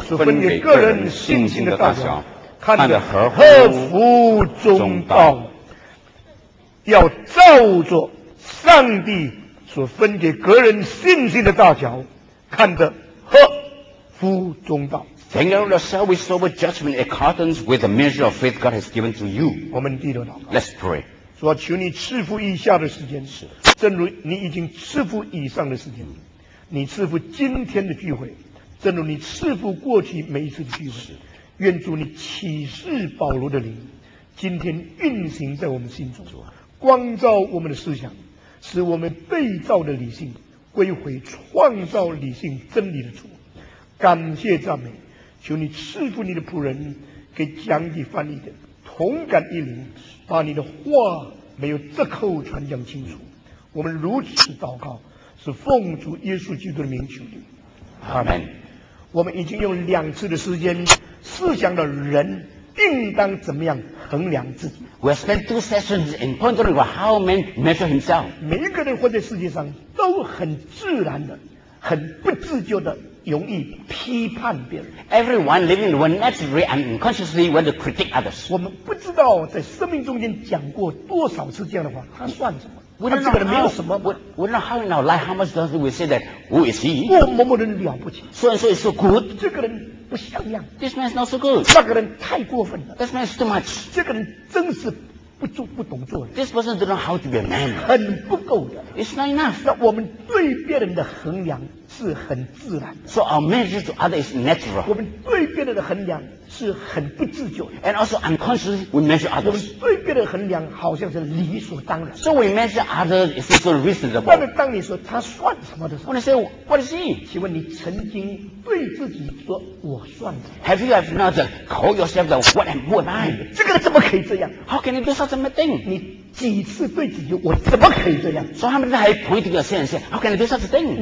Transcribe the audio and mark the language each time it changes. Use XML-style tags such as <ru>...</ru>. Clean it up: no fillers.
<zh>分给个人信心的大小，看得合乎中道。要照着上帝所分给个人信心的大小，看得合乎中道。</zh> <en>Thank you, Lord, shall we serve judgment accordance with the measure of faith God has given to you?</en> <zh>我们低头祷告。</zh> <en>Let's pray.</en> <zh>主啊，求你赐福以下的时间，是，正如你已经赐福以上的时间，你赐福今天的聚会，正如你赐福过去每一次的聚会，是，愿主你启示保罗的灵。今天运行在我们心中，光照我们的思想，使我们被造的理性归回创造理性真理的主。感谢赞美，求你赐福你的仆人，给讲义翻译的同感一灵，把你的话没有折扣传讲清楚。我们如此祷告，是奉主耶稣基督的名求的。阿门。我们已经用两次的时间思想了人应当怎么样衡量自己。</zh> <en>We have spent two sessions in pondering about how man measure himself.</en> <zh>每一个人活在世界上都很自然的，很不自觉的，容易批判别人。</zh> <en>Everyone living in the world naturally and unconsciously want to critic others.</en> <zh>我们不知道在生命中间讲过多少次这样的话，他算什么？他这个人没有什么。</zh> <en>We don't know how in our life how much does we say that who is he?</en> <zh>我某某人了不起。</zh> <en>So and so is so good.</en> <zh>这个人不像样。</zh> <en>This man is not so good.</en> <zh>那个人太过分了。</zh> <en>This man is too much.</en> <zh>这个人真是不懂做人。</zh> <en>This person don't know how to be a man.</en> <zh>很不够的。</zh> <en>It's not enough.</en> <zh>那我们对别人的衡量是很自然的。</zh> <en>So our measure to others is natural.</en> <zh>我们对别人的衡量是很不自觉的。</zh> <en>And also unconsciously we measure others.</en> <zh>我们对别人的衡量好像是理所当然。</zh> <en>So we measure others is also reasonable.</en> <zh>但是当你说他算什么的时候</zh> <en>，When I say what is he?</en> <zh>请问你曾经对自己说我算什么</zh> <en>？Have you ever not call yourself the what am I?</en> <zh>这个人怎么可以这样</zh> <en>？How can you do such a thing?</en> <zh>你几次对自己我怎么可以这样</zh> <en>？So how many times point to yourself and say how can you do such a thing?</en>